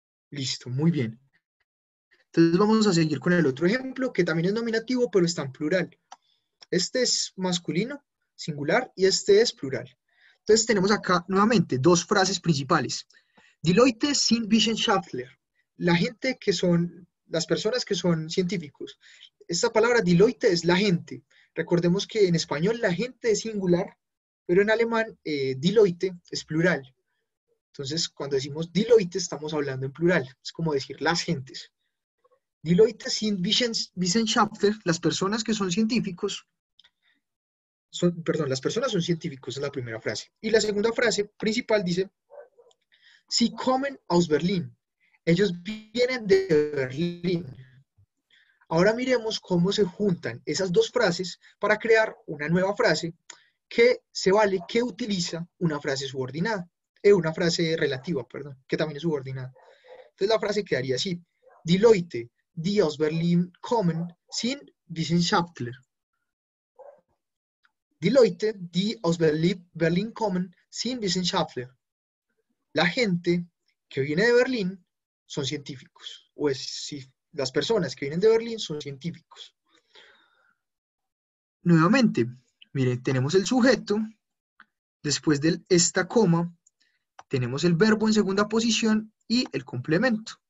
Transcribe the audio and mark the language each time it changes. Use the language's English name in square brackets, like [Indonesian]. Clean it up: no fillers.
[Spanish] Listo, muy bien. Entonces vamos a seguir con el otro ejemplo que también es nominativo, pero está en plural. Este es masculino, singular, y este es plural. Entonces tenemos acá nuevamente dos frases principales. [German] Die Leute sind Wissenschaftler. [Spanish] La gente que son. Las personas que son científicos. Esta palabra Leute es la gente. Recordemos que en español la gente es singular, pero en alemán Leute es plural. Entonces, cuando decimos Leute, estamos hablando en plural. Es como decir las gentes. [German] Leute sind Wissenschaftler, [Spanish] las personas que son científicos. Perdón, las personas son científicos, es la primera frase. Y la segunda frase principal dice: [German] Sie kommen aus Berlin. [Spanish] Ellos vienen de Berlín. Ahora miremos cómo se juntan esas dos frases para crear una nueva frase que se vale, que utiliza una frase subordinada, una frase relativa, perdón, que también es subordinada. Entonces la frase quedaría así: [German] Die Leute, die aus Berlin kommen, sind Wissenschaftler. Die Leute, die aus Berlin kommen, sind Wissenschaftler. [Spanish] La gente que viene de Berlín son científicos. Pues sí, las personas que vienen de Berlín son científicos. Nuevamente, miren, tenemos el sujeto. Después de esta coma, tenemos el verbo en segunda posición y el complemento.